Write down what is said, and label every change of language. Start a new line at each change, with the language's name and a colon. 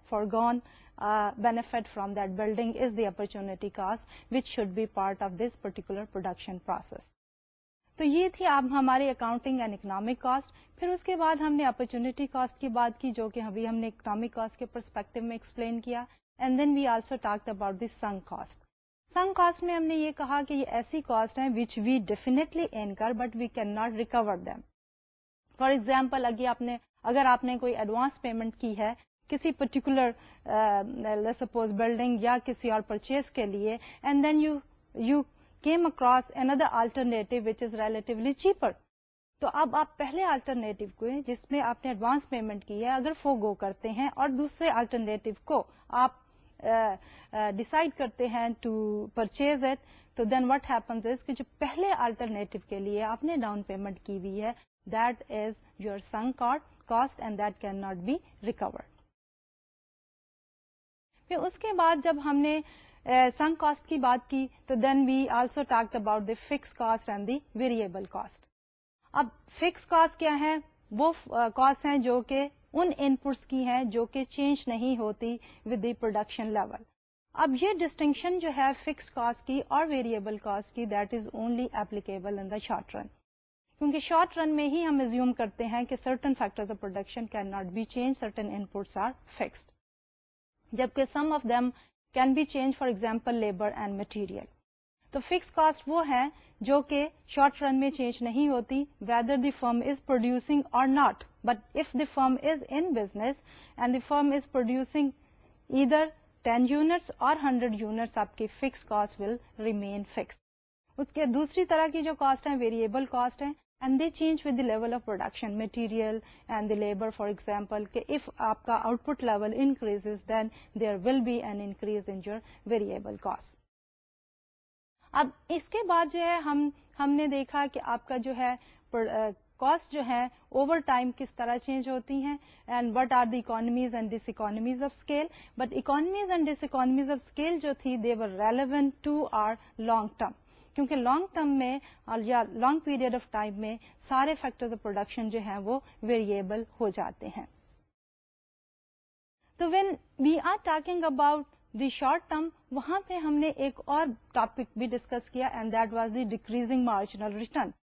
English: Foregone benefit from that building is the opportunity cost which should be part of this particular production process.
Urdu: تو یہ تھی اب ہماری accounting and economic cost. پھر اس کے بعد ہم نے اپرچونیٹی کاسٹ کی بات کی جو کہ ابھی ہم نے اکنامک کاسٹ کے پرسپیکٹو میں ایکسپلین کیا,
English: And then we also talked about the sunk cost.
Urdu: سنگ کاسٹ میں ہم نے یہ کہا کہ یہ ایسی کاسٹ ہیں
English: Which we definitely incur but we can not recover them.
Urdu: For example اگر آپ نے کوئی ایڈوانس پیمنٹ کی ہے کسی پرٹیکولر سپوز بلڈنگ یا کسی اور پرچیز کے لیے,
English: and then you came across another alternative which is relatively cheaper,
Urdu: تو اب آپ پہلے آلٹرنیٹو کو جس میں آپ نے ایڈوانس پیمنٹ کی ہے اگر فوگو کرتے ہیں اور دوسرے آلٹرنیٹو کو آپ ڈیسائڈ کرتے ہیں
English: to purchase it,
Urdu: تو
English: then what happens is
Urdu: کہ جو پہلے آلٹرنیٹو کے لیے آپ نے ڈاؤن پیمنٹ کی ہوئی ہے
English: that is your sunk cost and that cannot be recovered.
Urdu: پھر اس کے بعد جب ہم نے
English: sunk cost کی بات کی تو then we also talked about the fixed cost and the variable cost.
Urdu: اب fixed cost کیا ہے وہ cost ہیں جو کہ ان inputs کی ہیں جو کہ change نہیں ہوتی
English: with the production level. اب یہ distinction جو ہے fixed cost کی اور variable cost کی that is only applicable in the short run. کیونکہ short run میں ہی ہم assume کرتے ہیں کہ certain factors of production cannot be changed, certain inputs are fixed. جبکہ some of them can be changed, for example, labor and material. تو fixed cost
Urdu: وہ ہے جو کہ
English: short run میں change نہیں ہوتی, whether the firm is producing or not. But if the firm is in business and the firm is producing either 10 units or 100 units, آپ کی fixed cost will remain fixed. اس کے دوسری طرح کی جو cost ہیں, variable cost ہیں, and they change with the level of production, material and the labor, for example, کہ if آپ کا output level increases, then there will be an increase in your variable cost.
Urdu: اب اس کے بعد جو ہے ہم نے دیکھا کہ آپ کا جو ہے cost جو ہے over time کس طرح change ہوتی ہیں
English: and what are the economies and diseconomies of scale. But economies and diseconomies of scale جو تھی they were relevant to our long term.
Urdu: کیونکہ لانگ ٹرم میں یا لانگ پیریڈ آف ٹائم میں سارے فیکٹرز آف پروڈکشن جو ہیں وہ ویریبل ہو جاتے ہیں. تو
English: when we are talking about the short term
Urdu: وہاں پہ ہم نے ایک اور ٹاپک بھی ڈسکس کیا
English: And that was the decreasing marginal return.